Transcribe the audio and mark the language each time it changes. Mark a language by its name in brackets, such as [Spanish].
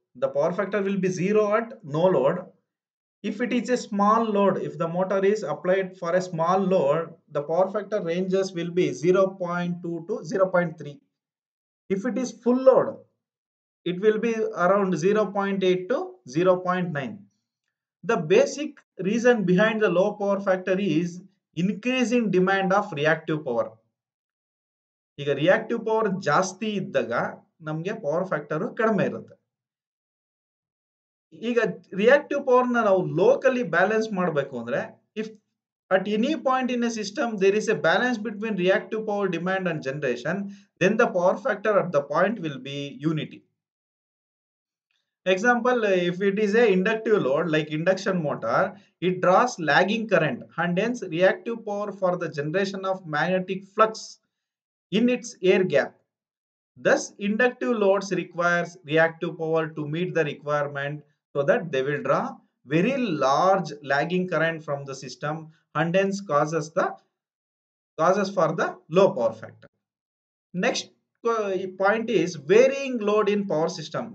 [English] The power factor will be zero at no load. If it is a small load, if the motor is applied for a small load, the power factor ranges will be 0.2 to 0.3. If it is full load, it will be around 0.8 to 0.9. The basic reason behind the low power factor is increasing demand of reactive power. [Kannada] ಈಗ reactive power ಜಾಸ್ತಿ ಇದ್ದಾಗ ನಮಗೆ power factor ಕಡಿಮೆ ಇರುತ್ತೆ. ಈಗ reactive power ನಾವು locally balance ಮಾಡಬೇಕು ಅಂದ್ರೆ, [English] If at any point in a system there is a balance between reactive power demand and generation, then the power factor at the point will be unity. Example, if it is a inductive load like induction motor, it draws lagging current and demands reactive power for the generation of magnetic flux in its air gap. Thus, inductive loads requires reactive power to meet the requirement, so that they will draw very large lagging current from the system and hence causes for the low power factor. Next point is varying load in power system.